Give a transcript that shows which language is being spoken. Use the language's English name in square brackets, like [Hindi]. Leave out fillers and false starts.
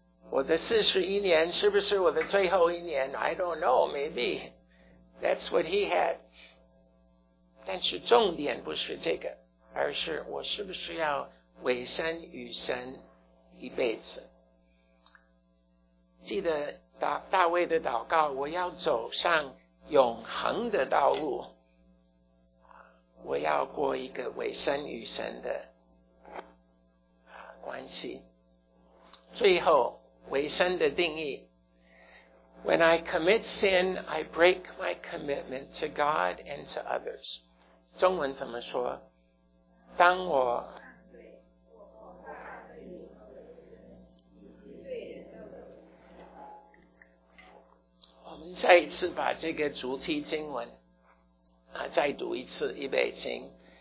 [Chinese] 我的41年是不是我的最后一年 [English] I don't know, maybe That's what he had [Chinese] 但是重点不是这个，而是我是不是要委身与神一辈子。记得 大卫的祷告，我要走上永恒的道路，我要过一个委身与神的关系。最后委身的定义， [English] When I commit sin, I break my commitment to God and to others. [Chinese] 中文怎么说？当我我们再一次把这个主题经文再读一次，预备经。